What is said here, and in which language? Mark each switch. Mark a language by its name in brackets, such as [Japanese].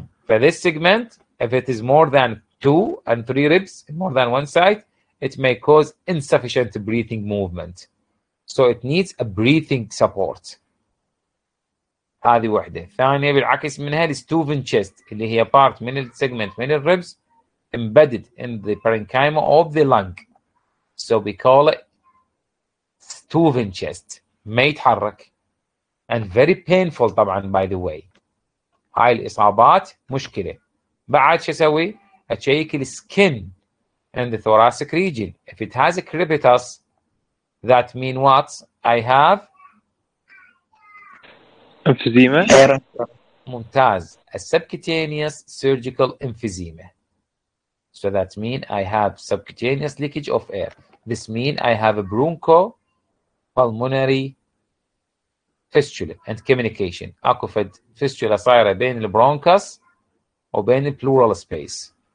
[English] For this segment, if it is more than two and three ribs, more than one side, it may cause insufficient breathing movement. So it needs a breathing support. [Arabic] هذه واحدة. ثانية بالعكس منها [English] الـ Steuben chest اللي هي part من الـ segment من الـ ribs embedded in the parenchyma of the lung. So we call it Steuben chest. [Arabic] ما يتحرك. [English] And very painful طبعا by the way. [Arabic] هاي الإصابات مشكلة. بعد شو سوي؟ أشيك الـ [English] skin in the thoracic region. If it has a crepitus, that means what? I have emphysema. [Arabic] ممتاز. [English] A subcutaneous surgical emphysema. So that means I have subcutaneous leakage of air. This means I have a bronchopulmonary fistula and communication. [Arabic] أكو فد fistula صايرة بين البرونكس وبين البلورال سبيس.